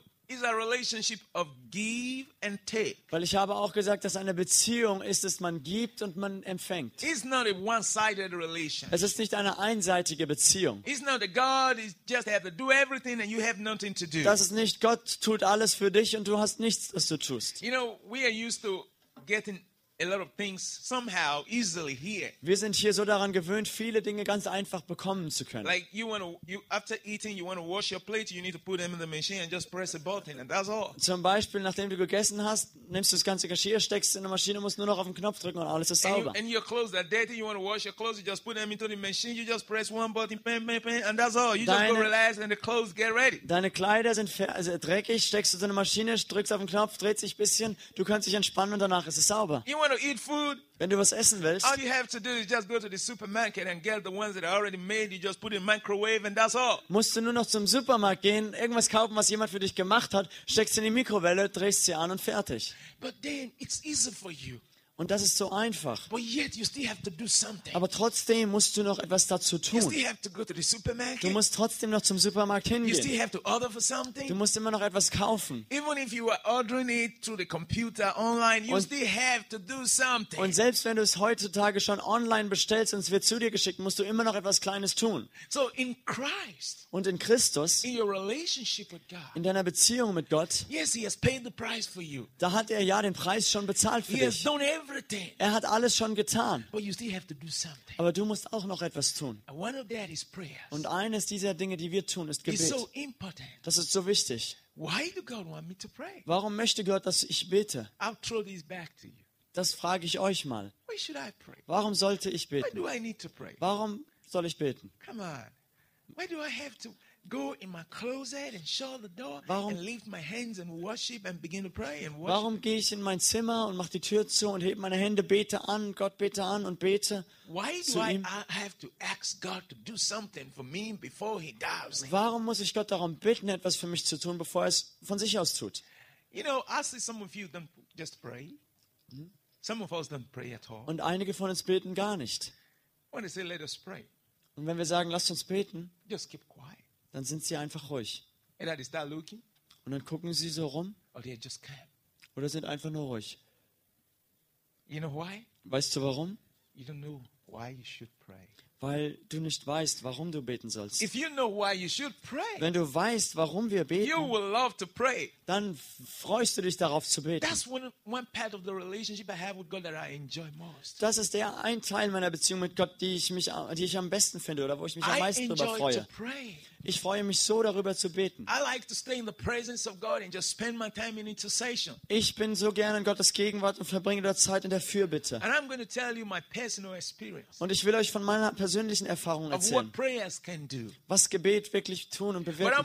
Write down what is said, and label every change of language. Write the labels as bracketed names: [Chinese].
[English] Is a relationship of give and take. [German] Weil ich habe auch gesagt, dass eine Beziehung ist, dass man gibt und man empfängt. [English] It's not a one-sided relationship. [German] Es ist nicht eine einseitige Beziehung. [English] It's not that God is just have to do everything and you have nothing to do. [German] Das ist nicht Gott tut alles für dich und du hast nichts, was du tust. [English] You know, we are used to getting a lot of things somehow easily here. [German] Wir sind hier so daran gewöhnt, viele Dinge ganz einfach bekommen zu können. [English] Like you want to, you after eating, you want to wash your plate. You need to put them in the machine and just press a button, and that's all. [German] Zum Beispiel, nachdem du gegessen hast, nimmst du das ganze Geschirr, steckst es in die Maschine, musst nur noch auf den Knopf drücken und alles ist sauber. [English] And your clothes are dirty. You want to wash your clothes. You just put them into the machine. You just press one button, bang, bang, bang, and that's all. You [German] deine, [English] just go relax and the clothes get ready. [German] Deine Kleider sind dreckig. Steckst du in die Maschine, drückst auf den Knopf, dreht sich ein bisschen. Du kannst dich entspannen und danach ist es sauber. [English] You want want to eat food, [German] wenn du was essen willst, [English] all you have to do is just go to the supermarket and get the ones that are already made. You just put in the microwave and that's all. [German] Musst du nur noch zum Supermarkt gehen, irgendwas kaufen, was jemand für dich gemacht hat, steckst in die Mikrowelle, drehst sie an und fertig. [English] But then it's easy for you. [German] Und das ist so einfach. [English] But yet you still have to do something. [German] Aber trotzdem musst du noch etwas dazu tun. [English] You still have to go to the supermarket. [German] Du musst trotzdem noch zum Supermarkt hingehen. [English] You still have to order for something. [German] Du musst immer noch etwas kaufen. [English] Even if you are ordering it through the computer online, you still have to do something. [German] Und selbst wenn du es heutzutage schon online bestellst und es wird zu dir geschickt, musst du immer noch etwas Kleines tun. [English] So in Christ. [German] Und in Christus, [English] in your relationship with God, [German] in deiner Beziehung mit Gott, [English] yes, he has paid the price for you. [German] Da hat er ja den Preis schon bezahlt für dich. [English] He has done everything. [German] Er hat alles schon getan. [English] But you still have to do something. [German] Aber du musst auch noch etwas tun. [English] And one of that is prayers. [German] Und eines dieser Dinge, die wir tun, ist Gebet. [English] It's so important. [German] Das ist so wichtig. [English] Why do God want me to pray? [German] Warum möchte Gott, dass ich bete? [English] I'll throw this back to you. [German] Das frage ich euch mal. [English] Why should I pray? [German] Warum sollte ich beten? [English] Why do I need to pray? [German] Warum soll ich beten? [English] Come on. Why do I have to go in my closet and shut the door and lift my hands and worship and begin to pray and worship? [German] Warum gehe ich in mein Zimmer und mache die Tür zu und hebe meine Hände, bete an, Gott bete an und bete zu ihm? [English] Why do I have to ask God to do something for me before he does it? [German] Warum muss ich Gott darum bitten, etwas für mich zu tun, bevor er es von sich aus tut? [English] You know, I see some of you don't just pray. Some of us don't pray at all. [German] Und einige von uns beten gar nicht. [English] When they say, let us pray. [German] Und wenn wir sagen, lasst uns beten, [English] just keep quiet. [German] Dann sind sie einfach ruhig. [English] And then they start looking, [German] und dann gucken sie so rum. [English] Or they just calm. [German] Oder sind einfach nur ruhig. [English] You know why? [German] Weißt du warum? [English] You don't know why you should pray. [German] Weil du nicht weißt, warum du beten sollst. [English] If you know why you should pray, [German] wenn du weißt, warum wir beten, [English] you will love to pray. [German] Dann freust du dich darauf zu beten. [English] That's one part of the relationship I have with God that I enjoy most. [German] Das ist der ein Teil meiner Beziehung mit Gott, die ich am besten finde oder wo ich mich am meisten darüber freue. [English] To pray. [German] Ich freue mich so darüber zu beten. [English] I like to stay in the presence of God and just spend my time in intercession. [German] Ich bin so gerne in Gottes Gegenwart und verbringe dort Zeit in der Fürbitte. [English] And I'm going to tell you my personal experience. [German] Und ich will euch von meiner persönlichen Erfahrung erzählen. [English] What prayers can do. [German] Was Gebet wirklich tun und bewirken kann.